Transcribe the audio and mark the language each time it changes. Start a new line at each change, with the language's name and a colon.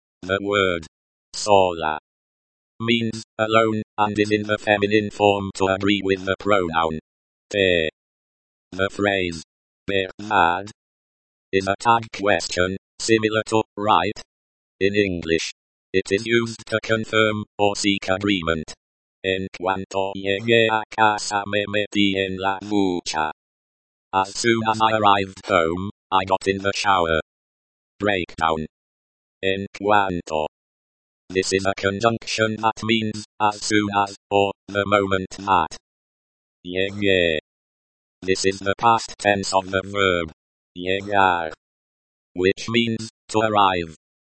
English: The word sola means alone and is in the feminine form to agree with the pronoun te. The phrase verdad is a tag question, similar to right in English. It is used to confirm or seek agreement.
Spanish: En cuanto llegué a casa me metí en la ducha.
English: As soon as I arrived home, I got in the shower. Breakdown. En cuanto. This is a conjunction that means as soon as or the moment that. Llegué. This is the past tense of the verb llegar, which means to arrive.